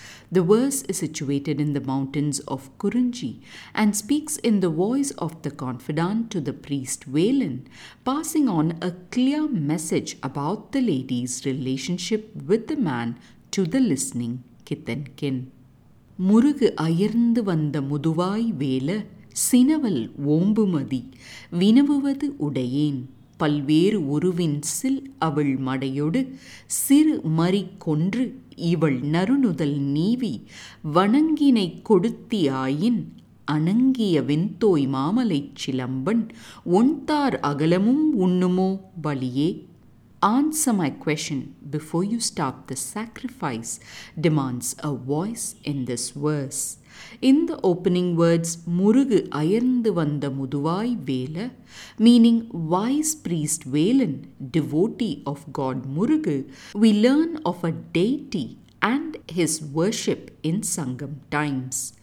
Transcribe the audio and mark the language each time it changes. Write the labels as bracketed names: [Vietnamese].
[English] The verse is situated in the mountains of Kurunji and speaks in the voice of the confidant to the priest Valen, passing on a clear message about the lady's relationship with the man to the listening Kithenkin. [Tamil] Murugu ayirndu vanda muduvai vela sinaval ombumadi vinavuvathu udayen பல்வேறு உருவின் சில் அவள் மடையொடு சிறு மறி கொன்று இவள் நறுநுதல் நீவி வணங்கினை கொடுத்தியாயின் அணங்கிய வெந்தோய் மாமலை சிலம்பன் ஒன்தார் அகலமும் உண்ணுமோ பலியே. [English] Answer my question before you stop the sacrifice, demands a voice in this verse. In the opening words, Murugu ayirndu vanda muduvai vela, meaning wise priest Valen, devotee of God Murugu, we learn of a deity and his worship in Sangam times.